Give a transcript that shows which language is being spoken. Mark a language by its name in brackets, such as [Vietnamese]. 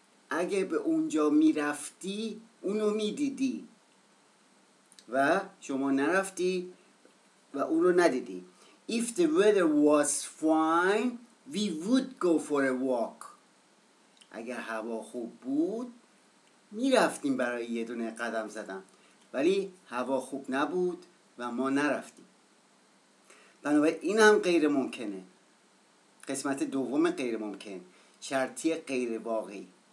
[Persian] اگه به اونجا میرفتی اونو میدیدی و شما نرفتی و اونو ندیدی. [English] If the weather was fine, we would go for a walk. [Persian] اگر هوا خوب بود میرفتیم برای یه دونه قدم زدن، ولی هوا خوب نبود و ما نرفتیم. بنابراین این هم غیر ممکنه. قسمت دوم غیر ممکن، شرطی غیر واقعی.